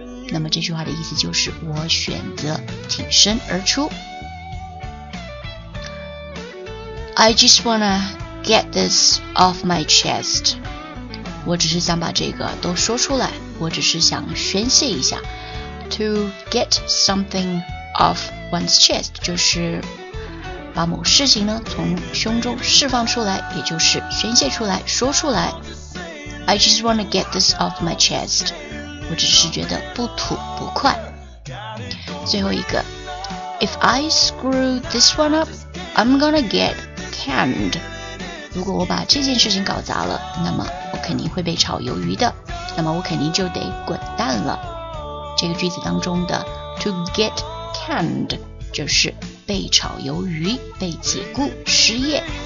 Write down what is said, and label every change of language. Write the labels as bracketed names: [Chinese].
[Chinese] 那么这句话的意思就是我选择挺身而出。 [English] I just wanna get this off my chest, [Chinese] 我只是想把这个都说出来，我只是想宣泄一下。 [English] To get something off one's chest [Chinese] 就是把某事情呢从胸中释放出来，也就是宣泄出来，说出来。 [English] I just wanna get this off my chest, [Chinese] 我只是觉得不吐不快。 [English] 最后一个， If I screw this one up, I'm gonna get canned. [Chinese] 如果我把这件事情搞砸了，那么我肯定会被炒鱿鱼的，那么我肯定就得滚蛋了。这个句子当中的 [English] to get canned [Chinese] 就是被炒鱿鱼、被解雇、失业。